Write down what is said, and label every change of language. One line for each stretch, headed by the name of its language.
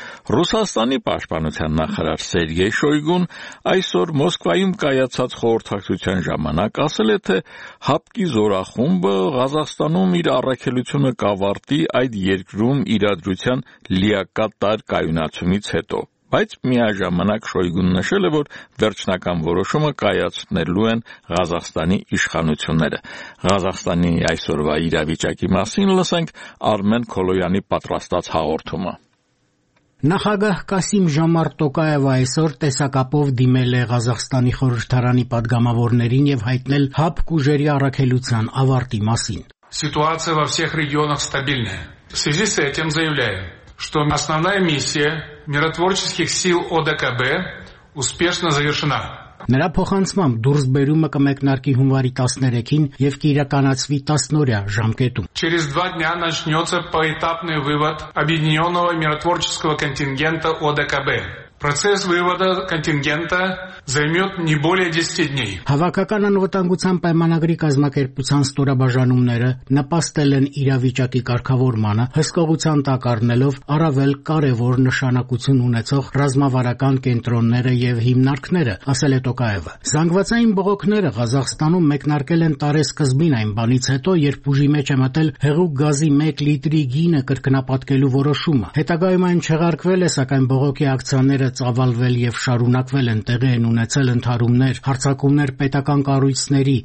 Armenian: Ռուսաստանի պաշտպանության նախարար Սերգեյ Շոյգուն այսօր Մոսկվայում կայացած խորհրդակցության ժամանակ ասել է, թե հապկի զորախումբը Ղազախստանում իր առաքելությունը կավարտի այդ երկրում իրադրության լիակատար կայունացումից հետո, բայց միաժամանակ Շոյգուն նշել է, որ վերջնական որոշումը կայացնելու են Ղազախստանի իշխանությունները։ Ղազախստանի այսօրվա իրավիճակի մասին լսենք Արմեն Քոլոյանի պատրաստած հաղորդումը։ Նախագահ Կասիմ Ժոմարտ Տոկաևը այսօր տեսակապով դիմել է Ղազախստանի խորհրդարանի պատգամավորներին և հայտնել հապկ ուժերի առաքելության ավարտի մասին։
Russian: ситуация во всех регионах стабильная. В связи с этим заявляю, что основная миссия миротворческих сил ОДКБ успешно завершена.
Armenian: Նրա փոխանցմամբ դուրս բերումը կմեկնարկի հունվարի 13-ին և կիրականացվի 10-օրյա ժամկետում։
Russian: Через 2 дня начнётся поэтапный вывод объединённого миротворческого контингента ОДКБ. Процесс вывода контингента займёт не более 10 дней.
Armenian: Հավաքական անվտանգության պայմանագրի կազմակերպության ստորաբաժանումները նպաստել են իրավիճակի կարգավորմանը, հսկողության տակ առնելով առավել կարևոր նշանակություն ունեցող ռազմավարական կենտրոնները և հիմնարկները, ասել է Տոկաևը։ Զանգվածային բողոքները Ղազախստանում մեկնարկել են տարեսկզբին այն բանից հետո, երբ ուժի մեջ է մտել հեղուկ գազի 1 լիտրի գինը կրկնապատկելու որոշումը։ Հետագայում այն չեղարկվել է, սակայն բողոքի ակցիան ծավալվել և շարունակվել են տեղի են ունեցել ընդհարումներ, հարցակումներ պետական կառույցների,